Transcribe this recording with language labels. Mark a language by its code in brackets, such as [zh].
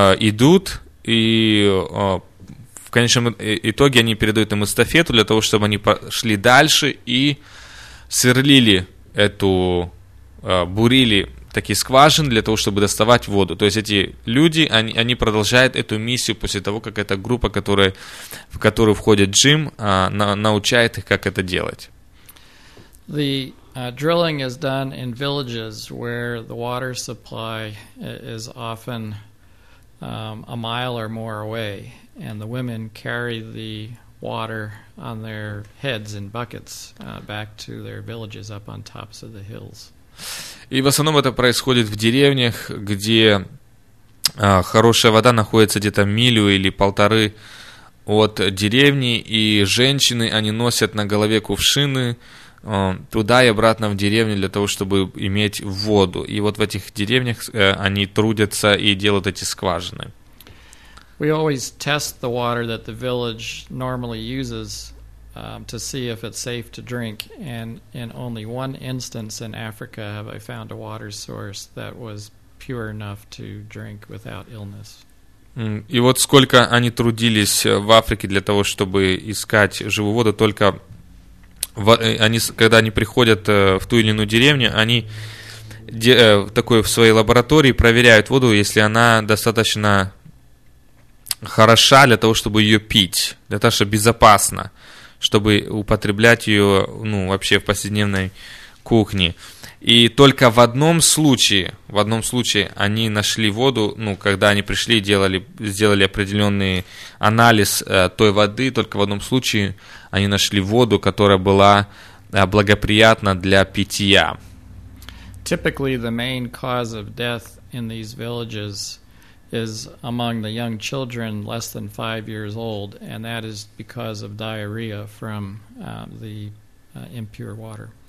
[ru] идут, и в конечном итоге они передают им эстафету для того, чтобы они пошли дальше и сверлили эту, бурили такие скважины для того, чтобы доставать воду. То есть эти люди, они продолжают эту миссию после того, как эта группа, в которую входит Джим, научает их, как это делать. [en] Drilling is done in villages where the water supply is often a mile or more away, and the women carry the water on their heads in buckets back to their villages up on tops of the hills. [ru] И в основном это происходит в деревнях, где хорошая вода находится где-то милю или полторы от деревни, и женщины, они носят на голове кувшины туда и обратно в деревню для того, чтобы иметь воду. И вот в этих деревнях они трудятся и делают эти скважины. [en] We always test the water that the village normally uses to see if it's safe to drink. And in only one instance in Africa have I found a water source that was pure enough to drink without illness. [ru] И вот сколько они трудились в Африке для того, чтобы искать живую воду, только они, когда они приходят в ту или иную деревню, они такой в своей лаборатории проверяют воду, если она достаточно хороша для того, чтобы ее пить, для того, чтобы безопасно, чтобы употреблять ее, ну, вообще в повседневной кухне. И только в одном случае они нашли воду, ну, когда они пришли и сделали определенный анализ той воды, только в одном случае они нашли воду, которая была благоприятна для питья. [en] Typically, the main cause of death in these villages is among the young children less than 5 years old, and that is because of diarrhea from the impure water.